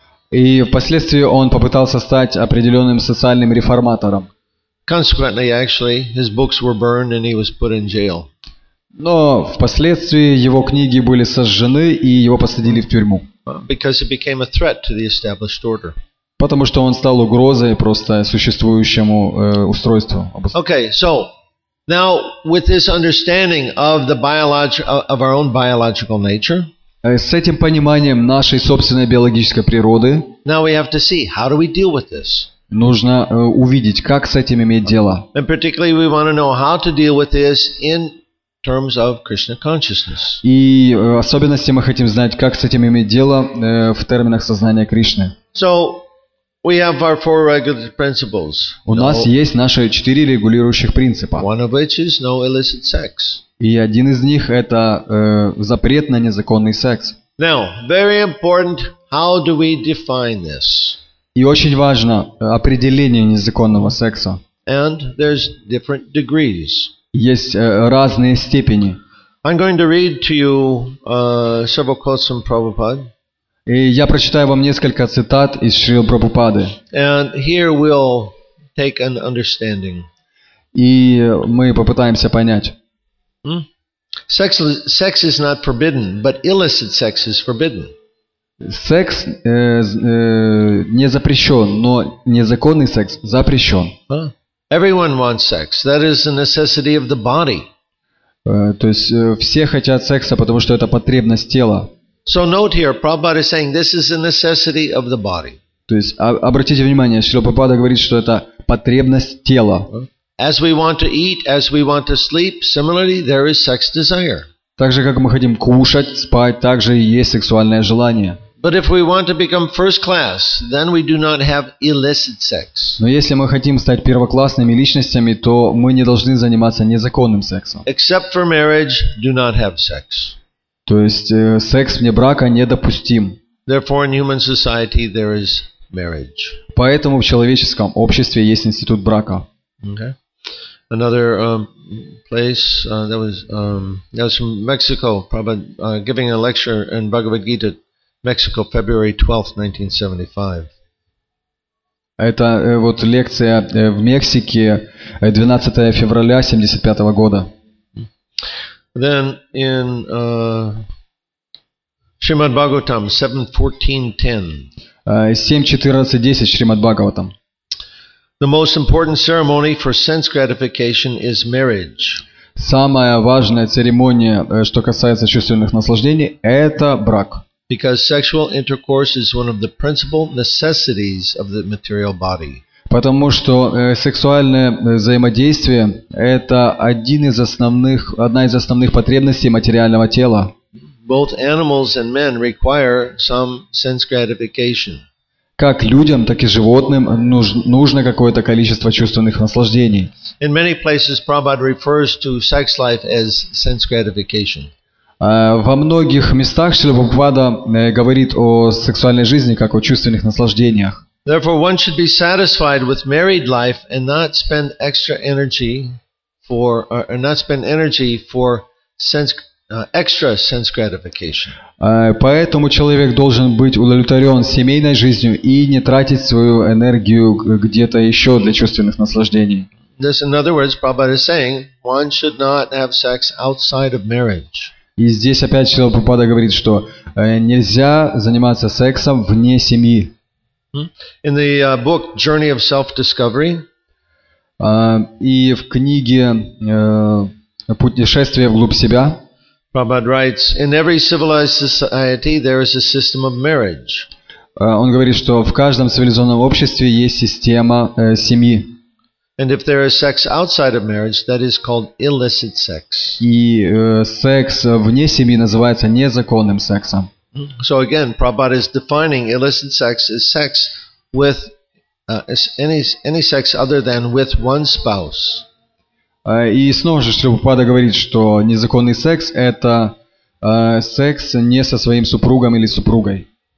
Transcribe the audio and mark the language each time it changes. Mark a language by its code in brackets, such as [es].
[ru] И впоследствии он попытался стать определенным социальным реформатором. [en] Consequently, actually, his books were burned and he was put in jail. [ru] Но впоследствии его книги были сожжены и его посадили в тюрьму. [en] Because it became a threat to the established order. [ru] Потому что он стал угрозой просто существующему устройству. [en] Okay, so now with this understanding of the of our own biological nature. [ru] С этим пониманием нашей собственной биологической природы. [en] Now we have to see how do we deal with this. [ru] Нужно увидеть, как с этим иметь дело. [en] And particularly we want to know how to deal with this in terms of Krishna consciousness. [ru] И особенности мы хотим знать, как с этим иметь дело в терминах сознания Кришны. [en] So we have our four regulative principles. [ru] У нас есть наши четыре регулирующих принципа. [en] One of which is no illicit sex. [ru] И один из них это запрет на незаконный секс. [en] Now, very important, how do we define this? [ru] И очень важно определение незаконного секса. [en] And there's different degrees. [ru] Есть разные степени. [en] I'm going to read to you several quotes from Prabhupada. [ru] И я прочитаю вам несколько цитат из Шрилы Прабхупады. [en] And here we'll take an understanding. [ru] И мы попытаемся понять. [en] Sex is not forbidden, but illicit sex is forbidden. [ru] Секс не запрещен, но незаконный секс запрещен. [en] Everyone wants sex. That is a necessity of the body. [ru] То есть все хотят секса, потому что это потребность тела. [en] So note here, Prabhupada is saying this is a necessity of the body. [ru] То есть обратите внимание, Шрила Прабхупада говорит, что это потребность тела. [en] As we want to eat, as we want to sleep, similarly there is sex desire. [ru] Так же как мы хотим кушать, спать, также и есть сексуальное желание. [en] But if we want to become first class, then we do not have illicit sex. [ru] Но если мы хотим стать первоклассными личностями, то мы не должны заниматься незаконным сексом. [en] Except for marriage, do not have sex. [ru] То есть секс вне брака недопустим. [en] Therefore, in human society, there is marriage. [ru] Поэтому в человеческом обществе есть институт брака. [en] Okay. Another place that was from Mexico, probably giving a lecture in Bhagavad Gita. Mexico, February 12th, 1975. [ru] Это вот лекция в Мексике 12 февраля 75 года. [en] Then in Шримад Бхагаватам 7.14.10. [ru] Шримад Бхагаватам. [en] The most important ceremony for sense gratification is marriage. [ru] Самая важная церемония, что касается чувственных наслаждений, это брак. [en] Because sexual intercourse is one of the principal necessities of the material body. [ru] Потому что сексуальное взаимодействие – это одна из основных потребностей материального тела. [en] Both animals and men require some sense gratification. [ru] Как людям, так и животным нужно какое-то количество чувственных наслаждений. [en] In many places, Prabhupada refers to sex life as sense gratification. [ru] Во многих местах Шрила Прабхупада говорит о сексуальной жизни как о чувственных наслаждениях. [en] Therefore, one should be satisfied with married life and not spend extra sense gratification. [ru] Поэтому человек должен быть удовлетворен семейной жизнью и не тратить свою энергию где-то еще для чувственных наслаждений. [en] This, in other words, Prabhupada is saying, one should not have sex outside of marriage. [ru] И здесь опять Шрила Прабхупада говорит, что нельзя заниматься сексом вне семьи. [en] In the book Journey of Self-Discovery, [ru] и в книге Путешествие вглубь себя, [en] Prabhupada writes, in every civilized society there is a system of marriage. [ru] Он говорит, что в каждом цивилизованном обществе есть система семьи. [en] And if there is sex outside of marriage, that is called illicit sex. [ru] И секс вне семьи называется незаконным сексом. [en] So again, Prabhupada is defining illicit sex as sex with any sex other than with one spouse. [ru] И снова же Шрила Прабхупада говорит, что незаконный секс – это секс не со своим супругом или супругой.